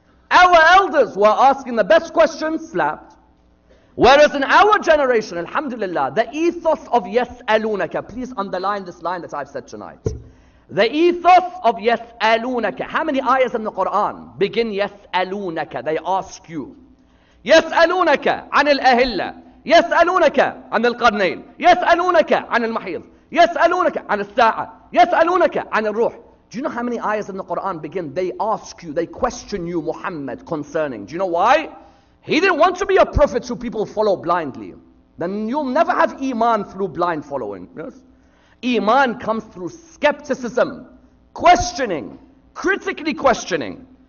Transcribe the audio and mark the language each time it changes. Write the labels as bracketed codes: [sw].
[en] Our elders were asking the best questions, slapped. Whereas in our generation, alhamdulillah, the ethos of yas'alunaka, please underline this line that I've said tonight. The ethos of yas'alunaka, how many ayahs in the Quran begin yas'alunaka, they ask you. Yas'alunaka anil ahilla. [ar] يسألونك عن القرنين يسألونك عن المحيض يسألونك عن الساعة يسألونك عن الروح. [en] Do you know how many ayahs in the Quran begin? They ask you, they question you, Muhammad, concerning. Do you know why? He didn't want to be a prophet who people follow blindly. Then you'll never have iman through blind following. Yes. Iman comes through skepticism, questioning, critically questioning.